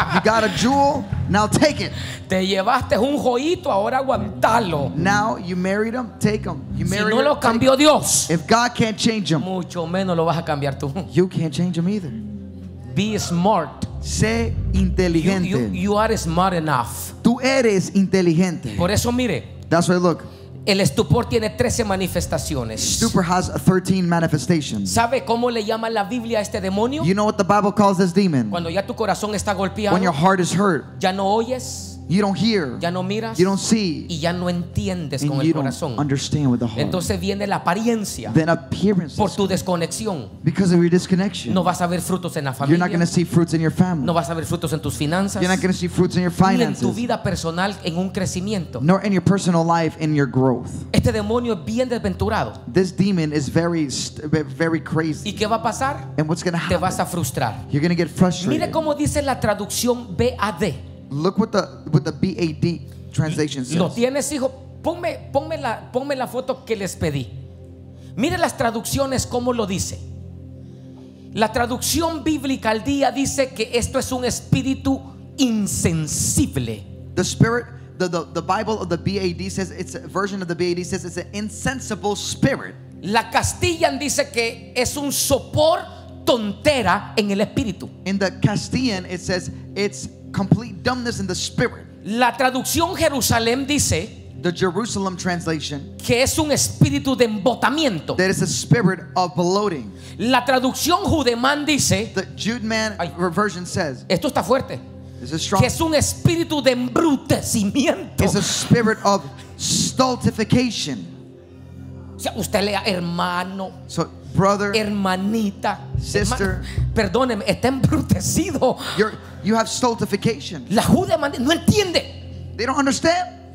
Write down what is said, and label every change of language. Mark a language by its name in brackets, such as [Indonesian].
[English] You got a jewel, now take it. [Spanish] Te llevaste un joyito, ahora aguantalo. [English] Now you married him, take him. You married [Spanish] si no lo [English] her, [Spanish] cambió Dios, [English] if God can't change him, [Spanish] mucho menos lo vas a cambiar tú. [English] You can't change him either. Be smart. [Spanish] Sé inteligente. [English] You are smart enough. [Spanish] Tú eres inteligente. Por eso mire. [English] That's why look. [Spanish] El estupor tiene 13 manifestaciones. [English] Stupor has 13 manifestations. [Spanish] ¿Sabe cómo le llama la Biblia a este demonio? [English] You know what the Bible calls this demon? [Spanish] Cuando ya tu corazón está golpeado. [English] When your heart is hurt. [Spanish] Ya no oyes. [English] You don't hear. [Spanish] Ya no miras. [English] You don't see. [Spanish] Y ya no entiendes con el corazón. [English] Understand with the heart. [Spanish] Entonces viene la apariencia. [English] Then appearances. [Spanish] Por tu desconexión. [English] Because of your disconnection. [Spanish] No vas a ver frutos en la familia. [English] You're not going to see fruits in your family. [Spanish] No vas a ver frutos en tus finanzas. [English] You're not going to see fruits in your finances. [Spanish] Ni en tu vida personal en un crecimiento. [English] Nor in your personal life in your growth. [Spanish] Este demonio es bien desventurado. [English] This demon is very, very crazy. [Spanish] ¿Y qué va a pasar? [English] And what's going to happen? [Spanish] Te vas a frustrar. [English] You're going to get frustrated. [Spanish] Mire cómo dice la traducción BAD. [English] Look what the BAD translation says. [Spanish] Lo tienes, hijo. Ponme la foto que les pedí. Mire las traducciones cómo lo dice. La traducción bíblica al día dice que esto es un espíritu insensible. [English] The spirit, the Bible of the BAD says, it's a version of the BAD says it's an insensible spirit. [Spanish] La Castilla dice que es un sopor tontera en el espíritu. [English] In the Castilian it says it's complete dumbness in the spirit. [Spanish] La traducción Jerusalén dice, [English] the Jerusalem translation, [Spanish] que es un espíritu de embotamiento. [English] That is a spirit of bloating. [Spanish] La traducción Judeman dice, [English] the Judeman version says, [Spanish] esto está fuerte. [English] This is strong. [Spanish] Que es un espíritu de embrutecimiento. [English] It's a spirit of stultification. [Spanish] O sea, usted lea hermano. [English] So, brother, [Spanish] hermanita, [English] sister, [Spanish] perdóneme, está embrutecido. [English] You have stultification. [Spanish] La Judeman no entiende. [English] They don't understand.